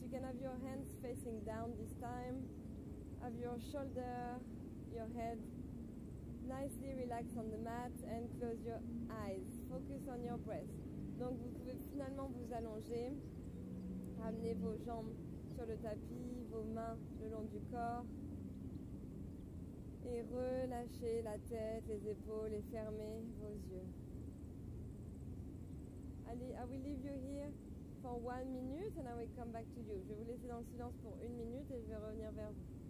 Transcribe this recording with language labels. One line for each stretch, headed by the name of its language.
English: You can have your hands facing down this time. Have your shoulder, your head nicely relax on the mat and close your eyes. Focus on your breath.
French: Donc vous pouvez finalement vous allonger, ramener vos jambes sur le tapis, vos mains le long du corps et relâcher la tête, les épaules et fermer vos yeux.
English: Allez, I will leave you here for 1 minute and I will come back to you.
French: Je vais vous laisser dans le silence pour 1 minute et je vais revenir vers vous.